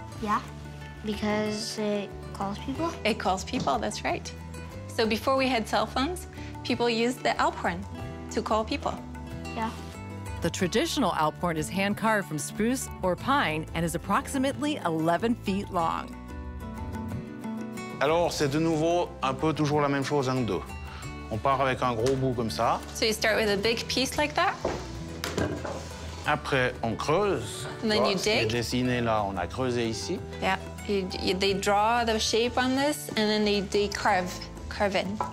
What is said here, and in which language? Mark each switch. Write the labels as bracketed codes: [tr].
[en] Yeah, because it calls people. It calls people, that's right. So before we had cell phones, people used the Alp horn to call people. Yeah. The traditional Alp horn is hand-carved from spruce or pine and is approximately 11 feet long. [fr] Alors, c'est de nouveau un peu toujours la même chose en deux. On part avec un gros bout comme ça. [en] So you start with a big piece like that. [fr] Après, on creuse. [en] And then you dig. [fr] C'est dessiné là, on a creusé ici. [en] Yeah, they draw the shape on this and then they carve, carve in.